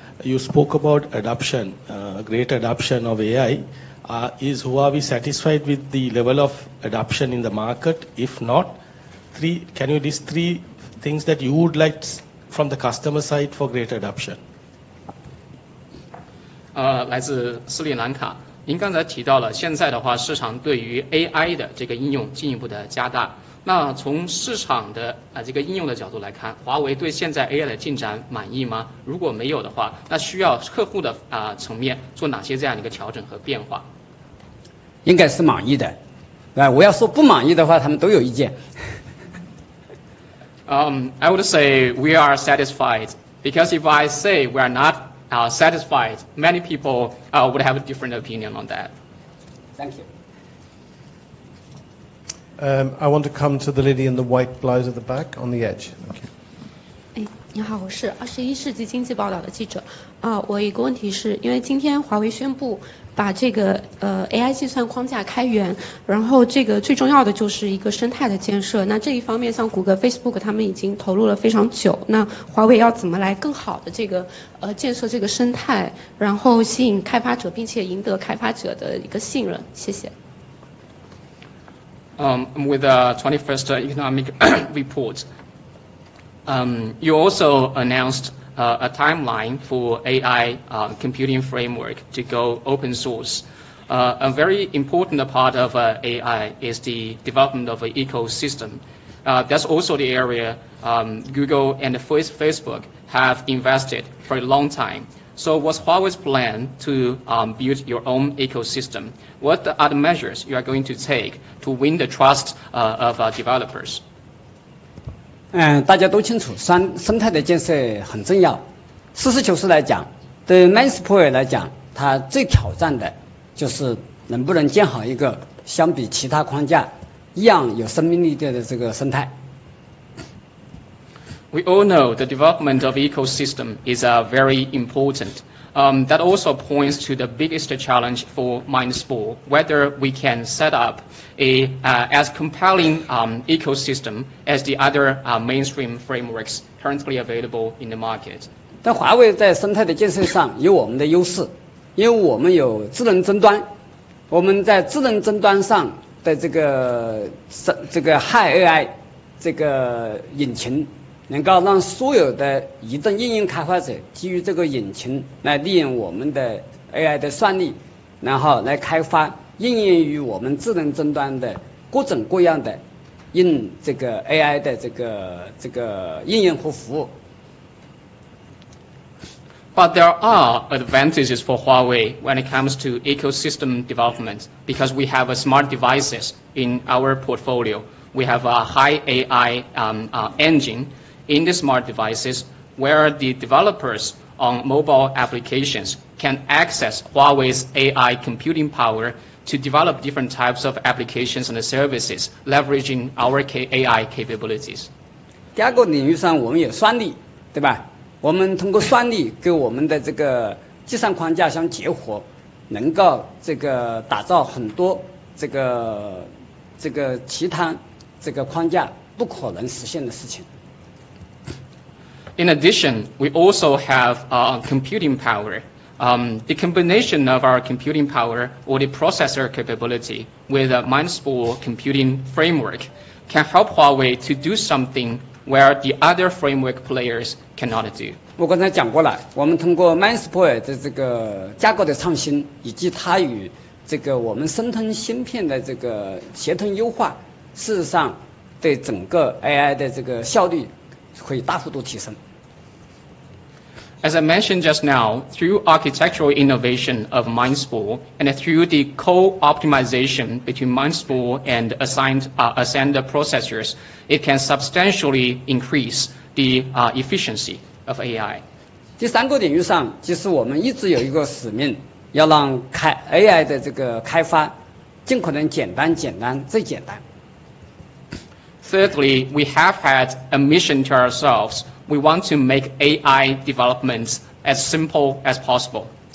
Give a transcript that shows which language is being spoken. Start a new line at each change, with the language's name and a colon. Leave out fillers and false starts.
English: You spoke about adoption, great adoption of AI. Is Huawei satisfied with the level of adoption in the market? If not, can you list three things that you would like from the customer side for greater adoption?
Chinese: 来自斯里兰卡，您刚才提到了现在的话，市场对于 AI 的这个应用进一步的加大。那从市场的这个应用的角度来看，华为对现在 AI 的进展满意吗？如果没有的话，那需要客户的层面做哪些这样一个调整和变化？应该是满意的，哎，我要说不满意的话，他们都有意见。
English: I would say we are satisfied because if I say we are not satisfied, many people would have a different opinion on that. Thank you. I want to come to the lady in the white blouse at the back on the edge. Okay.
Chinese: 你好，我是21世纪经济报道的记者。我有一个问题是，因为今天华为宣布把这个AI 计算框架开源，然后这个最重要的就是一个生态的建设。那这一方面，像谷歌、Facebook 他们已经投入了非常久。那华为要怎么来更好的这个建设这个生态，然后吸引开发者，并且赢得开发者的一个信任？谢谢。
English: With the 21st economic report, you also announced a timeline for AI computing framework to go open source. A very important part of AI is the development of an ecosystem. That's also the area Google and Facebook have invested for a long time. So what's Huawei's plan to build your own ecosystem? What are the measures you are going to take to win the trust of developers?
Chinese: 大家都清楚，生态的建设很重要。实事求是来讲，对 MindSpore 来讲，它最挑战的就是能不能建好一个相比其他框架一样有生命力的这个生态。
English: We all know the development of ecosystem is very important. That also points to the biggest challenge for MindSpore, whether we can set up as compelling ecosystem as the other mainstream frameworks currently available in the market.
Chinese: 但华为在生态的建设上有我们的优势，因为我们有智能终端，我们在智能终端上的这个 High AI 这个引擎。能够让所有的移动应用开发者基于这个引擎来利用我们的 AI 的算力，然后来开发应用于我们智能终端的各种各样的用这个 AI 的这个应用和服务。
English: But there are advantages for Huawei when it comes to ecosystem development because we have smart devices in our portfolio. We have a high AI engine. In the smart devices, where the developers on mobile applications can access Huawei's AI computing power to develop different types of applications and services, leveraging our AI capabilities.
Chinese: 第二个领域上，我们有算力，对吧？我们通过算力跟我们的这个计算框架相结合，能够这个打造很多这个其他这个框架不可能实现的事情。
English: In addition, we also have computing power. The combination of our computing power or the processor capability with a MindSpore computing framework can help Huawei to do something where the other framework players cannot do.
Chinese: 我刚才讲过了，我们通过 MindSpore 的这个架构的创新，以及它与这个我们申通芯片的这个协同优化，事实上对整个 AI 的这个效率可以大幅度提升。
English: As I mentioned just now, through architectural innovation of MindSpore and through the co-optimization between MindSpore and assigned processors, it can substantially increase the efficiency of AI.
Chinese: 第三个领域上，其实我们一直有一个使命，要让AI 的这个开发尽可能简单，简单最简单。
English: Thirdly, we have had a mission to ourselves. We want to make AI developments as simple as possible.